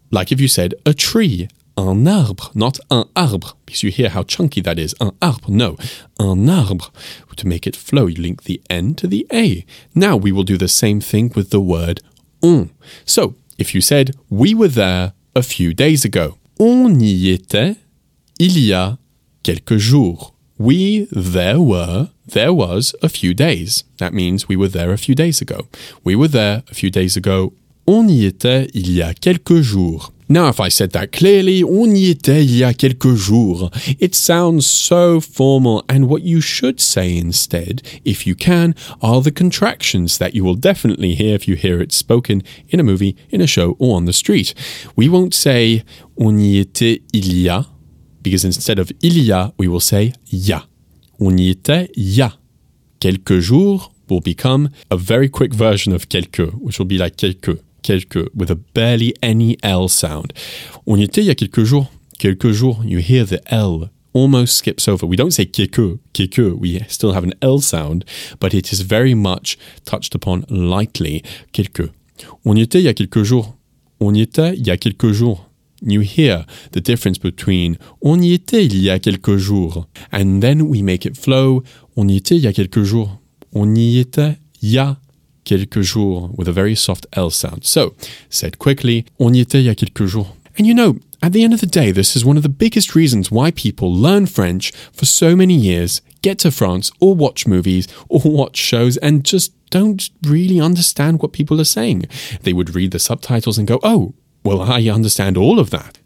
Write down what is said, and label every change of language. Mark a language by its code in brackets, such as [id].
[en] Like if you said a tree, un arbre, not un arbre, because you hear how chunky that is, un arbre, no, un arbre. To make it flow, you link the N to the A. Now, we will do the same thing with the word on. So, if you said, we were there a few days ago. [fr] On y était il y a quelques jours. [en] We, there was a few days. That means we were there a few days ago. We were there a few days ago. [fr] On y était il y a quelques jours. [en] Now, if I said that clearly, [fr] on y était il y a quelques jours, [en] it sounds so formal. And what you should say instead, if you can, are the contractions that you will definitely hear if you hear it spoken in a movie, in a show, or on the street. We won't say [fr] on y était il y a, [en] because instead of il y a, we will say ya. [fr] On y était ya. Quelques jours [en] will become a very quick version of quelque, which will be like quelque, quelque, with a barely any L sound. [fr] On y était il y a quelques jours. [en] Quelques jours, you hear the L almost skips over. We don't say quelque, quelque, we still have an L sound, but it is very much touched upon lightly, quelque. [fr] On y était il y a quelques jours. On y était il y a quelques jours. [en] You hear the difference between [fr] on y était il y a quelques jours, [en] and then we make it flow. [fr] On y était il y a quelques jours. On y était il y a quelques jours, [en] with a very soft L sound. So, said quickly, [fr] on y était il y a quelques jours. [en] And you know, at the end of the day, this is one of the biggest reasons why people learn French for so many years, get to France or watch movies or watch shows and just don't really understand what people are saying. They would read the subtitles and go, oh, well, I understand all of that.